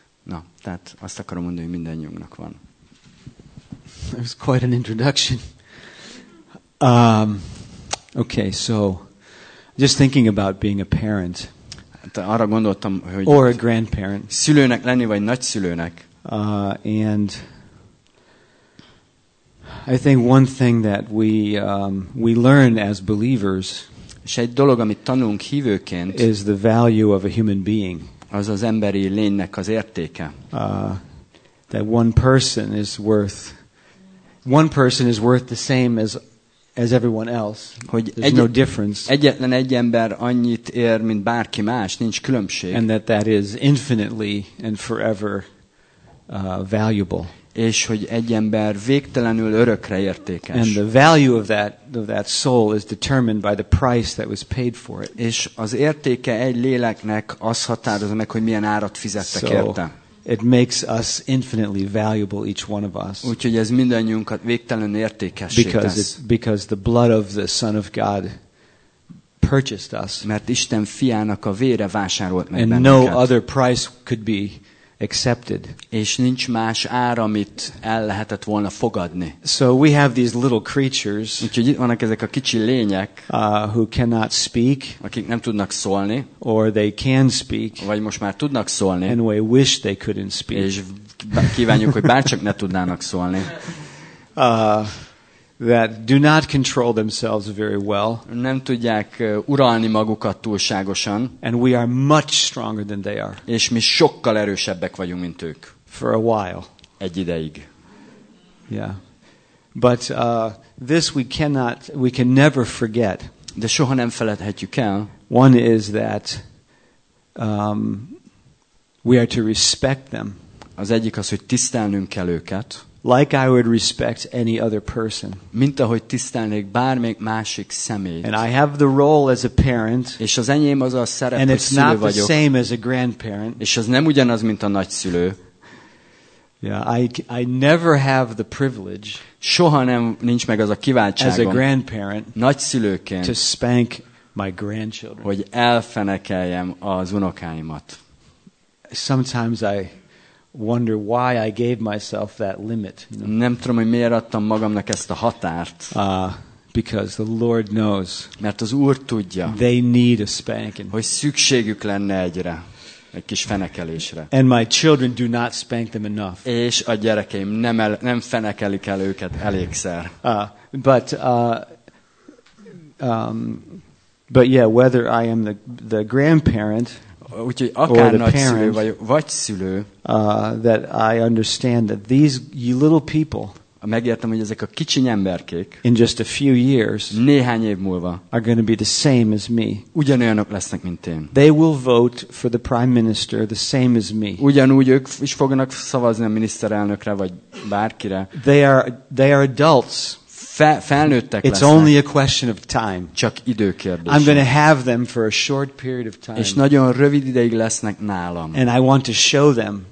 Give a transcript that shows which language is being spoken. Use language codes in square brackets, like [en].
[hu] Na, tehát azt akarom mondani, hogy mindannyiunknak van. [en] That was quite an introduction. Okay, so just thinking about being a parent. [hu] Arra gondoltam, hogy [en] or a grandparent. [hu] Szülőnek lenni vagy nagyszülőnek. [en] And I think one thing that we learn as believers, [hu] és egy dolog, amit tanulunk hívőként, [en] is the value of a human being. [hu] Az az emberi lénynek az értéke. [en] That one person is worth the same as everyone else. [hu] Hogy [en] no difference. [hu] Egyetlen egy ember annyit ér, mint bárki más, nincs különbség. [en] And that is infinitely and forever valuable. [hu] És hogy egy ember végtelenül örökre értékes. [en] And the value of that soul is determined by the price that was paid for it. [hu] És az értéke egy léleknek az határozza meg, hogy milyen árat fizettek érte. [en] It makes us infinitely valuable, each one of us. [hu] Úgyhogy ez mindannyiunkat végtelen értékessé tesz. [en] Because the blood of the Son of God purchased us. [hu] Mert Isten fiának a vére vásárolt meg bennünket. [en] And no other price could be accepted. [hu] És nincs más ár, amit el lehetett volna fogadni. [en] So we have these little creatures. [hu] Úgyhogy itt vannak ezek a kicsi lények, [en] who cannot speak. [hu] Akik nem tudnak szólni. [en] Or they can speak. [hu] Vagy most már tudnak szólni. [en] And we wish they couldn't speak. [hu] És kívánjuk, hogy bárcsak ne tudnának szólni. [en] That do not control themselves very well. [hu] Nem tudják uralni magukat túlságosan. [en] And we are much stronger than they are. [hu] És mi sokkal erősebbek vagyunk, mint ők. [en] For a while. [hu] Egy ideig. [en] Yeah. But this we can never forget. [hu] De soha nem feledhetjük el. [en] One is that we are to respect them. [hu] Az egyik az, hogy tisztelnünk kell őket. [en] Like I would respect any other person. [hu] Mint ahogy tisztelnék bármelyik másik személyt. [en] And I have the role as a parent. [hu] És az enyém az a szerep, [en] and it's not the same as a grandparent. [hu] És az nem ugyanaz, mint a nagyszülő. [en] Yeah, I never have the privilege. [hu] Soha nem nincs meg az a kiváltságom. [en] As a grandparent. [hu] Nagyszülőként. [en] To spank my grandchildren. [hu] Hogy elfenekeljem az unokáimat. [en] Sometimes I wonder why I gave myself that limit. [hu] Nem tudom, hogy miért adtam magamnak ezt a határt. [en] Because the Lord knows. [hu] Mert az Úr tudja. [en] They need a spanking. [hu] Hogy szükségük lenne egyre. egy kis fenekelésre. [en] And my children do not spank them enough. [hu] És a gyerekeim nem fenekelik el őket elégszer. [en] But yeah, whether I am the grandparent [hu] úgyhogy akár [en] or the [hu] nagyszülő, parent, vagy szülő, [en] that I understand that these little people, [hu] megértem, hogy ezek a kicsi emberkék, [en] in just a few years, [hu] néhány év múlva, [en] are going to be the same as me. [hu] Ugyanolyanok lesznek, mint én. [en] They will vote for the prime minister the same as me. [hu] Ugyanúgy ők is fognak szavazni a miniszterelnökre vagy bárkire. [en] They are adults. [hu] Felnőttek [en] it's [hu] lesznek. [en] Only a question of time. [hu] Csak időkérdés. [en] I'm going to have them for a short period of time. [hu] És nagyon rövid ideig lesznek nálam. [en] And I want to show them